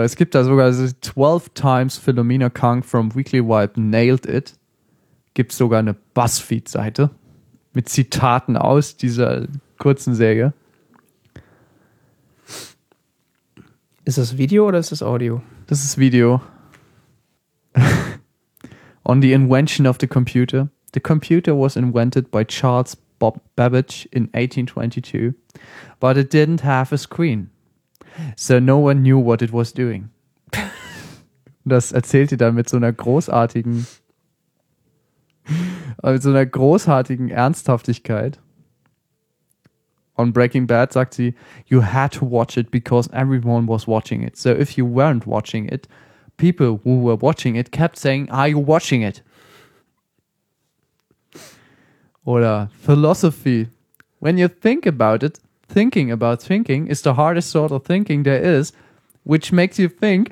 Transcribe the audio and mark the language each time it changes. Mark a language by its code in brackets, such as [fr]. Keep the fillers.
[de] Es gibt da also sogar 12 Times Philomena Kang from Weekly Wipe Nailed It. Es gibt sogar eine Buzzfeed-Seite mit Zitaten aus dieser kurzen Säge. Ist das Video oder ist das Audio? Das ist Video. [en] On the invention of the computer. The computer was invented by Charles Bob Babbage in 1822, but it didn't have a screen. So no one knew what it was doing. [de] das erzählt ihr dann mit so einer großartigen, mit so einer großartigen Ernsthaftigkeit. [en] On Breaking Bad [de] sagt sie, [en] you had to watch it because everyone was watching it. So if you weren't watching it, people who were watching it kept saying, are you watching it? Oder Philosophy. When you think about it, thinking about thinking is the hardest sort of thinking there is, which makes you think.